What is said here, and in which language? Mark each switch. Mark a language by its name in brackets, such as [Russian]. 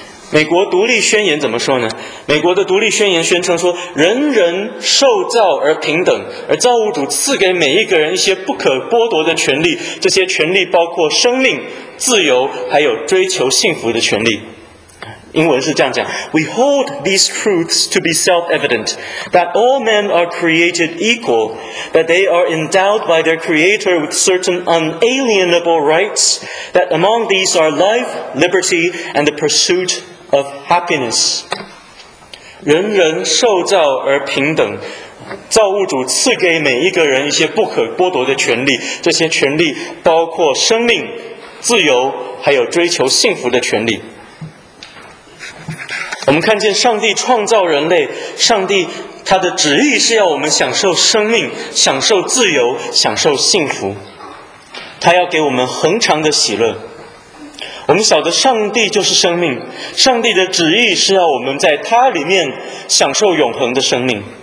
[Chinese] 美国独立宣言怎么说呢？美国的独立宣言宣称说，人人受造而平等，而造物主赐给每一个人一些不可剥夺的权利，这些权利包括生命、自由，还有追求幸福的权利。 [English] 英文是这样讲 We hold these truths to be self-evident that all men are created equal that they are endowed by their creator with certain unalienable rights that among these are life, liberty, and the pursuit of happiness [Chinese] 人人受造而平等造物主赐给每一个人一些不可剥夺的权利这些权利包括生命自由还有追求幸福的权利我们看见上帝创造人类上帝他的旨意是要我们享受生命享受自由享受幸福他要给我们恒长的喜乐我们晓得上帝就是生命上帝的旨意是要我们在他里面享受永恒的生命